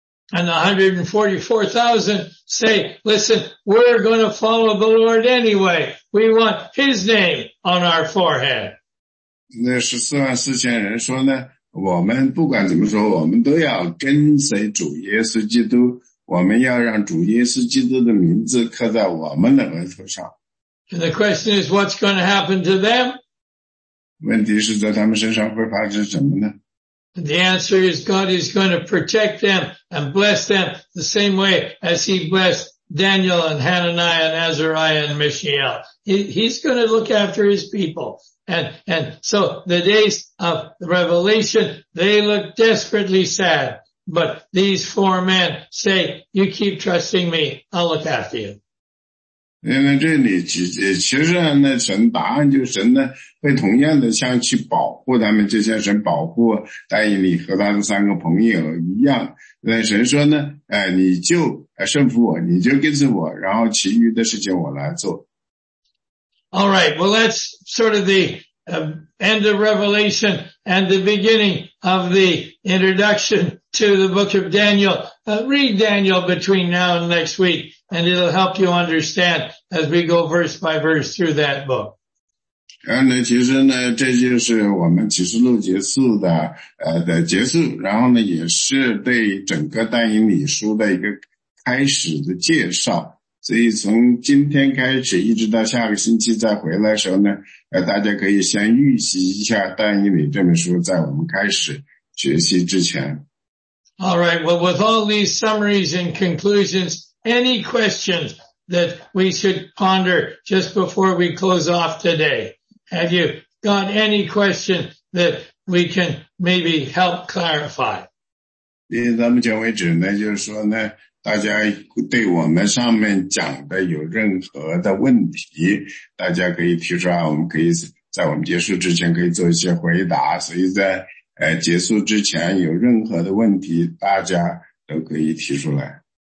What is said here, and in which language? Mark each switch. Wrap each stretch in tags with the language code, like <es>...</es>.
<en>And the 144,000 say, listen, we're going to follow the Lord anyway. We want his name on our forehead.</en> <zh>那144,000人说呢，我们不管怎么说，我们都要跟随主耶稣基督，我们要让主耶稣基督的名字刻在我们的额头上。</zh> <en>And the question is, what's going to happen to them?</en> <zh>问题是在他们身上会发生什么呢？</zh> <en>The answer is God is going to protect them and bless them the same way as he blessed Daniel and Hananiah and Azariah and Mishael. He's going to look after his people. And so the days of Revelation, they look desperately sad. But these four men say, you keep trusting me, I'll look after you.</en> <zh>因为这里其实呢，神答案就是神呢会同样的像去保护他们，就像神保护但以理和他的三个朋友一样。那神说呢，你就顺服我，你就跟随我，然后其余的事情我来做。</zh> <en>All right, well, that's sort of the end of Revelation and the beginning of the introduction to the book of Daniel. Read Daniel between now and next week, and it'll help you understand as we go verse by verse through that book.</en> <zh>那其实呢，这就是我们启示录结束的的结束，然后呢，也是对整个但以理书的一个开始的介绍。所以从今天开始一直到下个星期再回来的时候呢，大家可以先预习一下但以理这本书在我们开始学习之前。</zh> <en>All right, well, with all these summaries and conclusions, any questions that we should ponder just before we close off today? Have you got any question that we can maybe help clarify?</en> <zh>因为咱们讲为止呢，就是说呢，大家对我们上面讲的有任何的问题，大家可以提出来，我们可以在我们结束之前可以做一些回答。所以在结束之前有任何的问题，大家都可以提出来。</zh>